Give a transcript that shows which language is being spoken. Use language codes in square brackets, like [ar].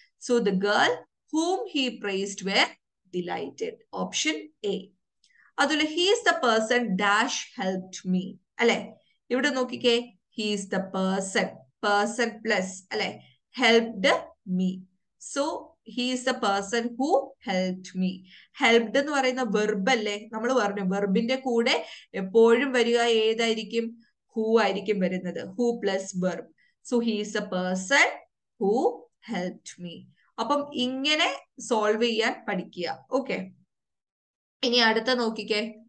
[en] So the girl ഹൂം he praised wear delighted, option A. അതുപോലെ he's the person dash helped me അല്ലെ. [ml] ഇവിടെ നോക്കിക്കേ, [en] He's the person, person plus അല്ലെ, helped me. So He is the person who helped me. [ml] Helped എന്ന് പറയുന്ന verb അല്ലേ, നമ്മൾ പറഞ്ഞു വെർബിന്റെ കൂടെ എപ്പോഴും വരിക ഏതായിരിക്കും, ഹു ആയിരിക്കും വരുന്നത്, who plus verb. [en] So he is A person who helped me. [ml] അപ്പം ഇങ്ങനെ സോൾവ് ചെയ്യാൻ പഠിക്കുക. ഓക്കെ, ഇനി അടുത്ത നോക്കിക്കേ.